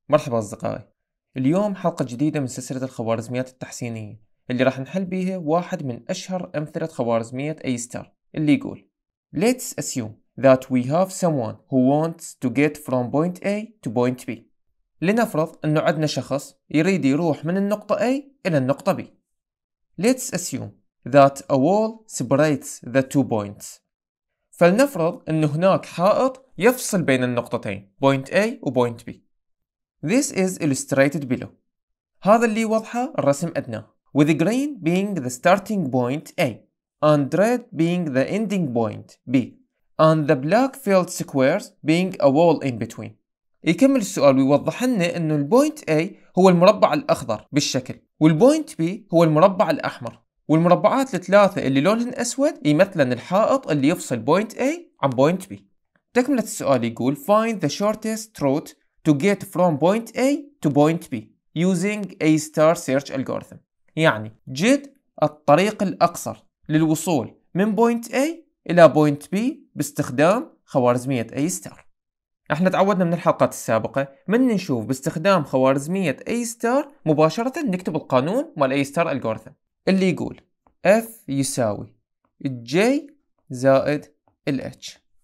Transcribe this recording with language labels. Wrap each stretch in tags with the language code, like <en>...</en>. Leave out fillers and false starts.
<ar>مرحبا أصدقائي، اليوم حلقة جديدة من سلسلة الخوارزميات التحسينية اللي راح نحل بيها واحد من أشهر أمثلة خوارزمية أيستر اللي يقول</ar> <en>Let's assume that we have someone who wants to get from point A to point B.</en> <ar>لنفرض أنه عندنا شخص يريد يروح من النقطة A إلى النقطة B.</ar> <en>Let's assume that a wall separates the two points.</en> <ar>فلنفرض أن هناك حائط يفصل بين النقطتين point A و point B.</ar> <en>This is illustrated below.</en> <ar>هذا اللي وضحه الرسم أدنى.</ar> <en>With green being the starting point A and red being the ending point B and the black filled squares being a wall in between.</en> <ar>يكمل السؤال ويوضح لنا أنه البوينت A هو المربع الأخضر بالشكل والبوينت B هو المربع الأحمر، والمربعات الثلاثة اللي لونهن أسود يمثلن الحائط اللي يفصل بوينت A عن بوينت B. تكملة السؤال يقول</ar> <en>Find the shortest route to get from point A to point B using a star search algorithm.</en> <ar>يعني جد الطريق الأقصر للوصول من بوينت A إلى بوينت B باستخدام خوارزمية أي ستار. احنا تعودنا من الحلقات السابقة من نشوف باستخدام خوارزمية أي ستار مباشرة نكتب القانون مال أي ستار الجورثم اللي يقول F يساوي J زائد LH.</ar>